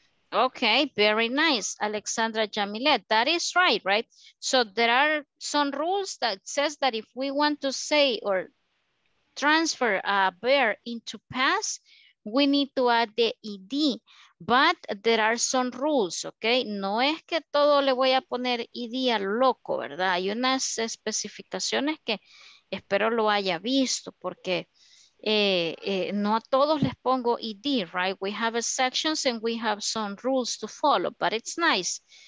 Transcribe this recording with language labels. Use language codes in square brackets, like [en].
[en] Okay, very nice, Alexandra Jamilet. That is right, right? So there are some rules that says that if we want to say or transfer a verb into past, we need to add the ed. But there are some rules, okay? [es] No es que todo le voy a poner ed a loco, ¿verdad? Hay unas especificaciones que espero lo haya visto porque no a todos les pongo ed, [en] right? We have a sections and we have some rules to follow, but it's nice.